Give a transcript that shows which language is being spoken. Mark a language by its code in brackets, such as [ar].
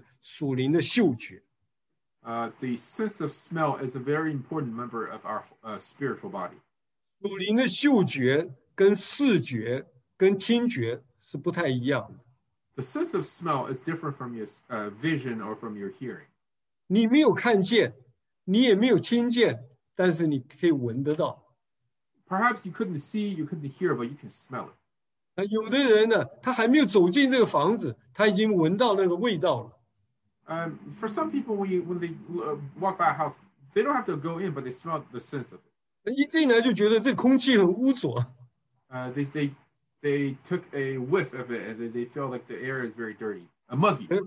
[zh] 这是我们身体上面属灵肢体的一个重要的功能啊，那就是属灵的嗅觉。 [en] The sense of smell is a very important member of our spiritual body. [zh] 属灵的嗅觉跟视觉跟听觉是不太一样的。 [en] The sense of smell is different from your vision or from your hearing. [zh] 你没有看见, 你也没有听见, 但是你可以闻得到。 [en] Perhaps you couldn't see, you couldn't hear, but you can smell it. [zh] 有的人呢, 他还没有走进这个房子, 他已经闻到那个味道了。 [en] For some people, when they walk by a house, they don't have to go in, but they smell the sense of it. [zh] 一进来就觉得这空气很污浊。 [en] They took a whiff of it, and they feel like the air is very dirty, muggy.